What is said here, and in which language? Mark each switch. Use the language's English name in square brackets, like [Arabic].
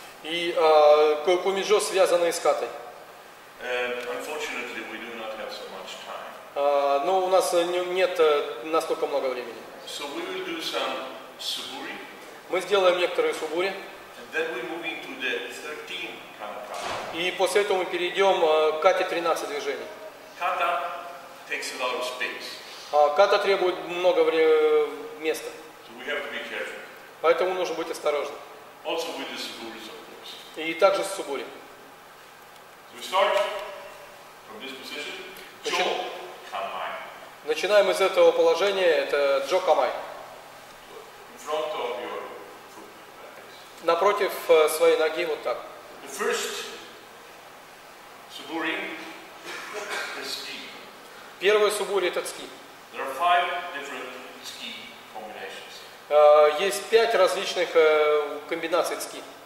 [Russian] И кумиджо связанные с катой. [English] Unfortunately, we do not have so much time. [Russian] Но у нас нет настолько много времени. [English] So we will do some suburi. [Russian] Мы сделаем некоторые субури. [English] And then we move into the 13 kata. [Russian] И после этого мы перейдем к кате 13 движений. [English] Kata takes a lot of space. [Russian] Ката требует много места. [English] So we have to be careful. [Russian] Поэтому нужно быть осторожным. [English] Also with the suburis, of course. [Russian] И также с субури. [English] We start from this position. [Russian] Джо Камай. Начинаем из этого положения. Это Джо Камай. [English] In front of your foot. [Russian] Напротив своей ноги, вот так. [English] The first subori is ski. [Russian] Первый субури это ски. [English] There are 5 different ski combinations. [Russian] Есть 5 различных комбинаций ски.